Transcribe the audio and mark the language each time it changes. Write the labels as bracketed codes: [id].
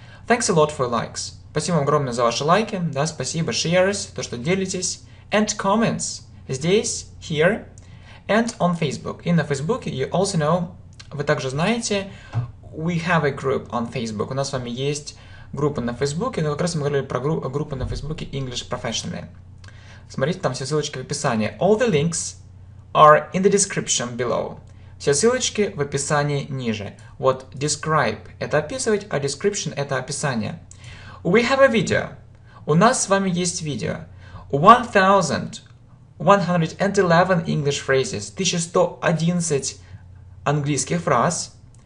[en] Thanks a lot for your likes. [ru] Спасибо вам огромное за ваши лайки, да, спасибо, [en] shares, [ru] то, что делитесь, [en] and comments, [ru] здесь, [en] here, and on Facebook. [ru] И на Facebook, [en] you also know, [ru] вы также знаете, [en] we have a group on Facebook. [ru] У нас с вами есть группа на Фейсбуке, но как раз мы говорили про группу на Фейсбуке English Professionally. Смотрите, там все ссылочки в описании. [en] All the links are in the description below. [ru] Все ссылочки в описании ниже. Вот describe — это описывать, а description — это описание. [en] We have a video. [ru] У нас с вами есть видео. 1111 [en] English phrases. [ru] 1111 английских фраз.